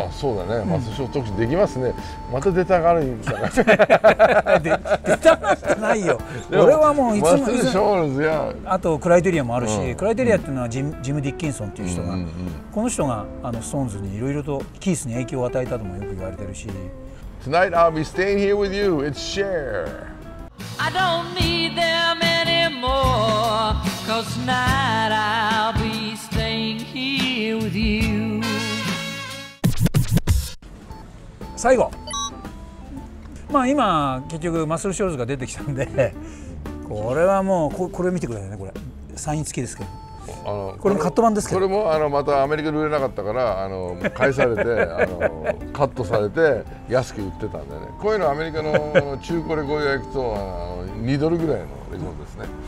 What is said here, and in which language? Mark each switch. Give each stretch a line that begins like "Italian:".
Japanese: まあ、そうだね、マッスルショールズ特集できますね。また出たがるんじゃない。出たがってないよ。俺はもういつもマッスルショールズや、あとクライテリアもあるし、クライテリアっていうのはジム・ディッキンソンっていう人が、この人がストーンズにいろいろとキースに影響を与えたともよく言われてるし。
English: Tonight I'll be staying here with you. It's Cher. I don't need them anymore, cause tonight I'll be With you.
Japanese: 最後、まあ今結局マッスルショールズが出てきたんで、これはもうこれ見てくださいね、これサイン付きですけど、これもカット版ですけど、これもまたアメリカで売れなかったから返されてカットされて安く売ってたんでね、こういうのアメリカの中古レコード屋行くと2ドルぐらいのレコードですね。